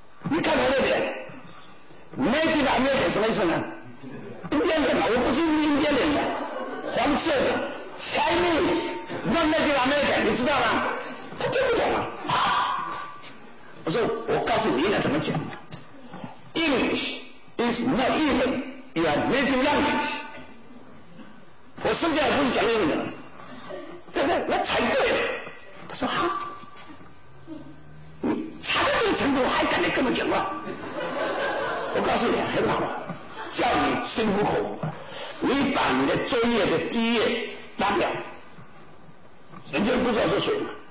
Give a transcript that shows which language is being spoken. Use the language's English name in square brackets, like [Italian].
[Chinese] 你看我这脸，没地方没脸什么意思呢？印第安人嘛，我不是印第安人嘛，黄色的 [English] Chinese, not Native American, [Chinese] 你知道吗？他听不懂啊！我说我告诉你应该怎么讲 ，English。 [English] Is not even your native language. [Chinese] 我生下来不是讲英语的，对不对？那才对。他说哈，你查到这个程度还敢来跟我讲话？我告诉你，很好，叫你心服口服。你把你的作业的第一页拿掉，人家不知道是谁嘛。